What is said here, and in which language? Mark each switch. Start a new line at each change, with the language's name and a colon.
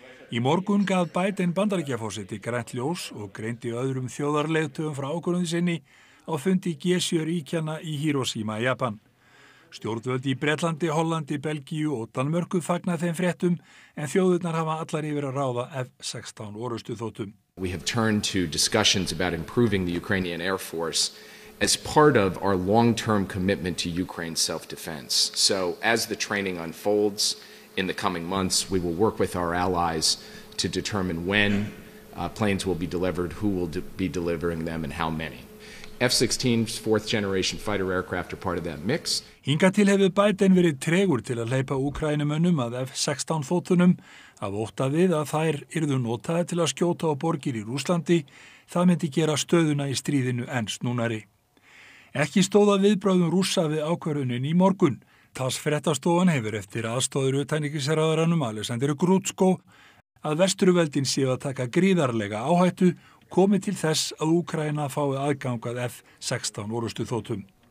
Icelandic: Í morgun gaf Biden bandaríkjaforseti grænt ljós og greindi öðrum þjóðarleiðtögum frá ákvörðun sinni á fundi G7-ríkjanna í Hiroshima, Japan. Stjórnvöld í Bretlandi, Hollandi, Belgíu og Danmörku fagna þeim fréttum, en þjóðirnar hafa allar yfir að ráða F-16 orrustuþotum.
English: We have turned to discussions about improving the Ukrainian Air Force as part of our long-term commitment to Ukraine's self-defense. So as the training unfolds in the coming months, we will work with our allies to determine when planes will be delivered, who will be delivering them and how many. F-16, fourth generation fighter aircraft are part of that mix.
Icelandic: Hingað til hefur Biden verið tregur til að hleypa Úkraínumönnum að F-16 þotunum af ótta við að þær yrðu notaði til að skjóta á borgir í Rússlandi, það myndi gera stöðuna í stríðinu enn snúnari. Ekki stóða viðbráðum Rússa við ákvörðunin í morgun. Tass fréttastofan hefur eftir aðstoður utanríkisráðherranum Alexander Grutsko að vesturveldin séu að taka gríðarlega áhættu komi til þess að Úkraína fái aðgang að F-16 orrustuþotum.